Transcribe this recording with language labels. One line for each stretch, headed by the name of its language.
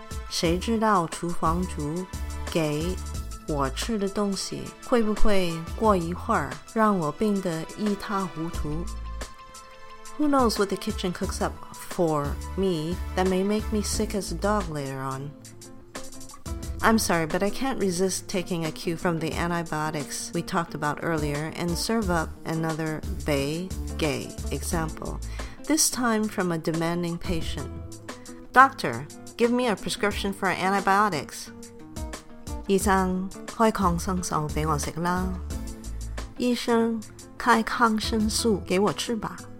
Chinese: 谁知道厨房煮给我吃的东西，会不会过一会儿让我病得一塌糊涂？
English: Who knows what the kitchen cooks up for me that may make me sick as a dog later on? I'm sorry, but I can't resist taking a cue from the antibiotics we talked about earlier and serve up another 被给 example, this time from a demanding patient. Doctor, give me a prescription for antibiotics.
Chinese: 医生，开抗生素给我吃啦。医生，开抗生素给我吃吧。